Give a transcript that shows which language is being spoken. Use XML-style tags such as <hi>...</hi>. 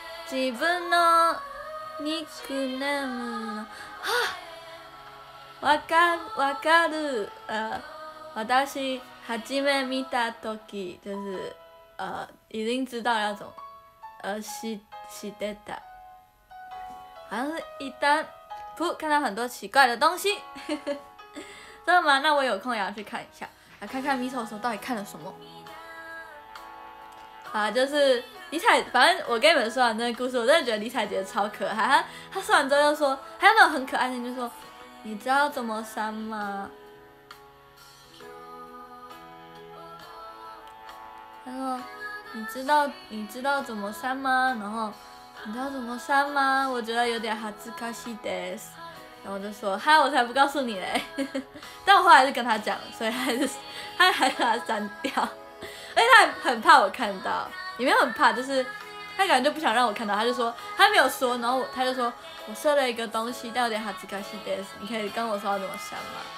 <ja>自分のニックネーム、わかる。私初め見た時</ja> <zh>就是已经知道那种，</zh> <ja>知ってた。</ja> <zh>好像是一旦。看到很多奇怪的东西，真的吗？那我有空也要去看一下，来看看 Miso 到底看了什么。好，就是李采，反正我跟你们说完这个故事，我真的觉得李采洁超可爱。他说完之后又说，还有那种很可爱的，就说你知道怎么删吗？他说你知道怎么删吗？然后。你知道怎么删吗？我觉得有点</zh> <ja>恥ずかしいです。</ja> <zh>然后我就说嗨，我才不告诉你嘞。但我后来是跟他讲，所以他还把他删掉。而且他很怕我看到，也没有很怕，就是他感觉就不想让我看到。他就说他没有说，然后他就说我设了一个东西，但有点</zh> <ja>恥ずかしいです。</ja> <zh>你可以跟我说要怎么删吗？</zh>